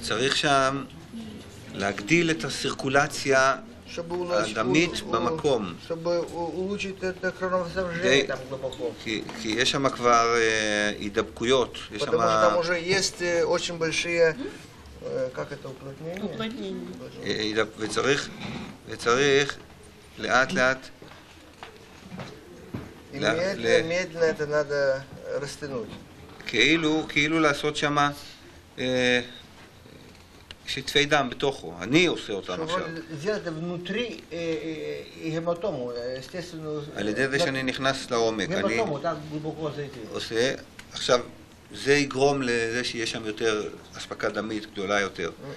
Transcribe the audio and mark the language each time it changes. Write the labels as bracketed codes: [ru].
[he] צריך שם להגדיל את הסירקולציה הדמית במקום. [ru] Чтобы улучшить это кровоснабжение там глубоко. [he] כי יש שם כבר הידבקויות. [ru] Потому что там уже есть очень большие, как это, уплотнения. [he] וצריך לאט לאט. [ru] Медленно это надо растянуть. [he] כאילו לעשות שם שטפי דם בתוכו, אני עושה אותם עכשיו. על ידי זה שאני נכנס לעומק, אני עושה, עכשיו זה יגרום לזה שיש שם יותר אספקה דמית גדולה יותר.